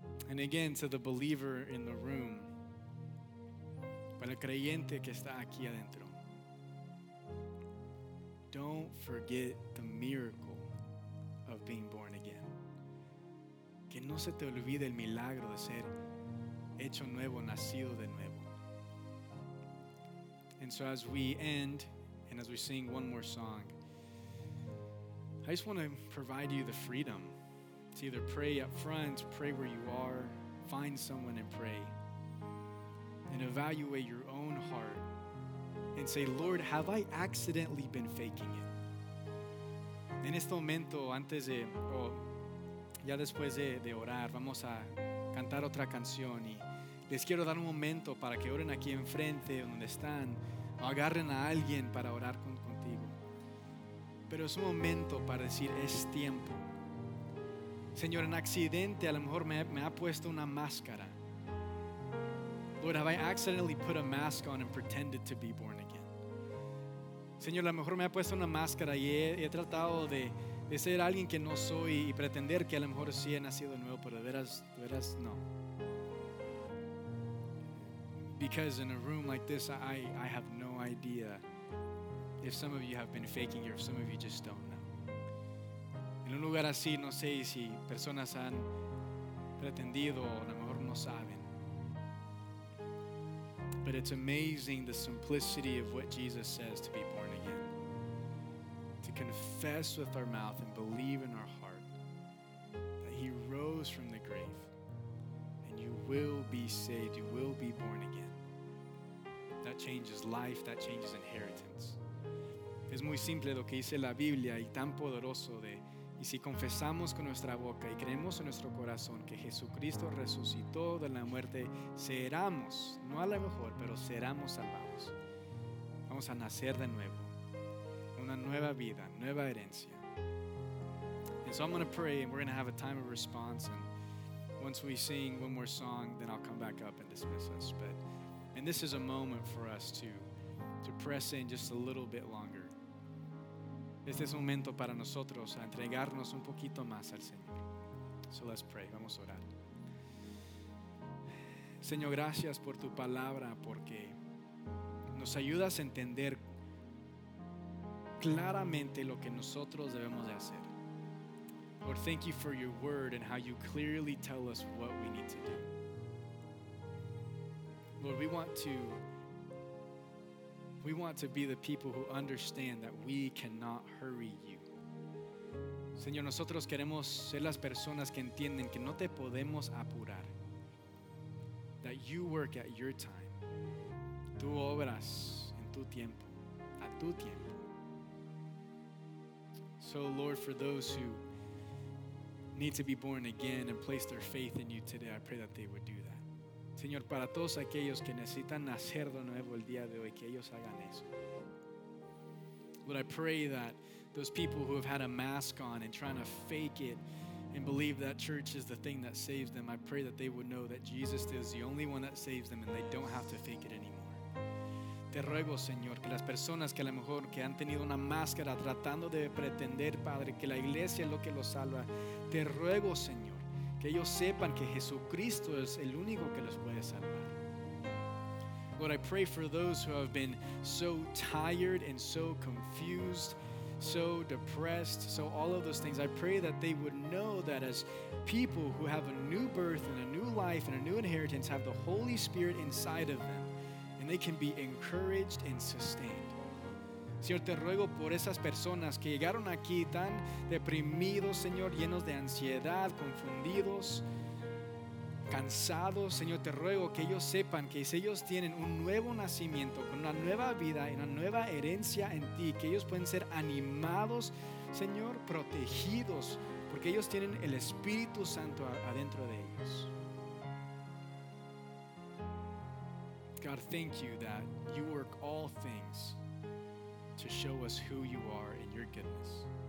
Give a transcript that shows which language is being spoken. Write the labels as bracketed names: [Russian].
[English] And again, to the believer in the room, [Spanish] para el creyente que está aquí adentro, [English] don't forget the miracle of being born again. [Spanish] Que no se te olvide el milagro de ser hecho nuevo, nacido de nuevo. [English] And so as we end, and as we sing one more song, I just want to provide you the freedom to either pray up front, pray where you are, find someone and pray, and evaluate your own heart and say, Lord, have I accidentally been faking it? [Spanish] En este momento, antes de, ya después de orar, vamos a cantar otra canción, y les quiero dar un momento para que oren aquí enfrente donde están, o agarren a alguien para orar contigo. Pero es un momento para decir, es tiempo. Señor, en accidente a lo mejor me ha puesto una máscara. [English] Lord, have I accidentally put a mask on and pretended to be born again? [Spanish] Señor, a lo mejor me ha puesto una máscara y he tratado de ser alguien que no soy y pretender que a lo mejor sí he nacido de nuevo, pero de veras no. [English] Because in a room like this, I have no idea if some of you have been faking it or if some of you just don't know. [Spanish] En un lugar así, no sé si personas han pretendido o a lo mejor no saben. [English] But it's amazing the simplicity of what Jesus says to be born again. To confess with our mouth and believe in our heart that he rose from the grave. And you will be saved, you will be born again. That changes life, that changes inheritance. [Spanish] Es muy simple lo que dice la Biblia y tan poderoso de, y si confesamos con nuestra boca y creemos en nuestro corazón que Jesucristo resucitó de la muerte, seremos, no a lo mejor, pero seremos salvados. Vamos a nacer de nuevo, una nueva vida, nueva herencia. [English] And so I'm going to pray and we're going to have a time of response, and once we sing one more song, then I'll come back up and dismiss us. But and this is a moment for us to press in just a little bit longer. [Spanish] Este es un momento para nosotros a entregarnos un poquito más al Señor. [English] So let's pray. [Spanish] Vamos a orar. Señor, gracias por tu palabra, porque nos ayudas a entender claramente lo que nosotros debemos de hacer. [English] Lord, thank you for your word and how you clearly tell us what we need to do. Lord, we want to be the people who understand that we cannot hurry you. [Spanish] Señor, nosotros queremos ser las personas que entienden que no te podemos apurar. [English] That you work at your time. [Spanish] Tú obras en tu tiempo, a tu tiempo. [English] So, Lord, for those who need to be born again and place their faith in you today, I pray that they would do that. [Spanish] Señor, para todos aquellos que necesitan nacer de nuevo el día de hoy, que ellos hagan eso. [English] Lord, I pray that those people who have had a mask on and trying to fake it and believe that church is the thing that saves them, I pray that they would know that Jesus is the only one that saves them and they don't have to fake it anymore. [Spanish] Te ruego, Señor, que las personas que a lo mejor que han tenido una máscara tratando de pretender, Padre, que la iglesia es lo que los salva, te ruego, Señor, que ellos sepan que Jesucristo es el único que los puede salvar. [English] Lord, I pray for those who have been so tired and so confused, so depressed, so all of those things. I pray that they would know that as people who have a new birth and a new life and a new inheritance have the Holy Spirit inside of them, and they can be encouraged and sustained. [Spanish] Señor, te ruego por esas personas que llegaron aquí tan deprimidos, Señor, llenos de ansiedad, confundidos, cansados. Señor, te ruego que ellos sepan que si ellos tienen un nuevo nacimiento, con una nueva vida y una nueva herencia en ti, que ellos pueden ser animados, Señor, protegidos, porque ellos tienen el Espíritu Santo adentro de ellos. [English] God, thank you that you work all things to show us who you are in your goodness.